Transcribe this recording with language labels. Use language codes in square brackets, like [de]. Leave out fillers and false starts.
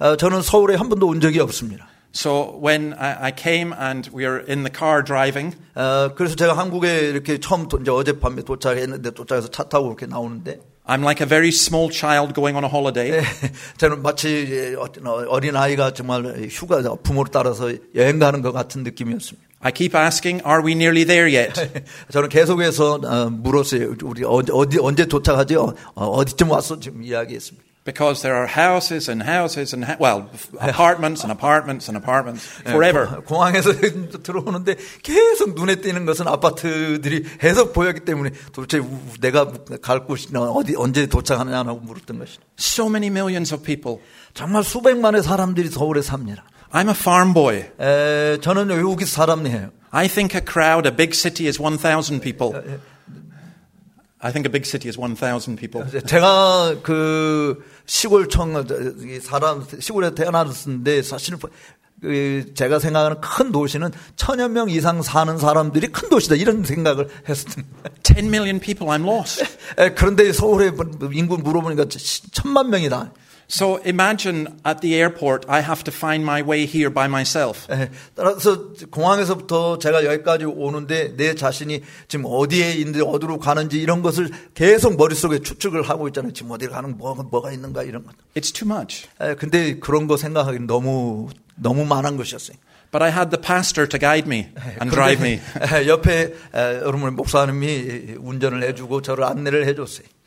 [ko] 저는 서울에 한 번도 온 적이 없습니다. [en] So when I came and we were in the car driving. [ko] 그래서 제가 한국에 이렇게 처음 이제 어젯밤에 도착했는데 도착해서 차 타고 이렇게 나오는데. [en] I'm like a very small child going on a holiday. [ko] 저는 마치 어린 아이가 정말 휴가 부모를 따라서 여행 가는 것 같은 느낌이었습니다. [en] I keep asking, are we nearly there yet? [ko] 저는 계속해서 물었어요. 우리 언제 도착하지? 어디쯤 왔어? 지금 이야기했습니다. [en] Because there are houses and houses and well, apartments and apartments and apartments forever. [ko] 공항에서 들어오는데 계속 눈에 띄는 것은 아파트들이 계속 보였기 때문에 도대체 내가 갈 곳이나 어디 언제 도착하느냐고 물었던 것이죠. [en] So many millions of people. [ko] 정말 수백만의 사람들이 서울에 삽니다. [en] I'm a farm boy. [ko] 저는 여기 사람이에요. [en] I think a crowd, a big city is 1,000 people. I think a big city is 1,000 people. [ko] 제가 그 시골청 사람 시골에 태어났었는데 사실 제가 생각하는 큰 도시는 천여 명 이상 사는 사람들이 큰 도시다 이런 생각을 했습니다. [en] 10 million people, I'm lost. [ko] 그런데 서울의 인구 물어보니까 1,000만 명이다. [en] So imagine at the airport, I have to find my way here by myself. [ko] 따라서 공항에서부터 제가 여기까지 오는데 내 자신이 지금 어디에 있는지 어디로 가는지 이런 것을 계속 머릿속에 추측을 하고 있잖아요. 지금 어디를 가는 뭐가 있는가 이런 것. [en] It's too much. [ko] 근데 그런 거 생각하기 너무 많은 것이었어요. [en] But I had the pastor to guide me and drive me. [ko] 옆에 여러분 목사님이 운전을 해주고 저를 안내를 해줬어요.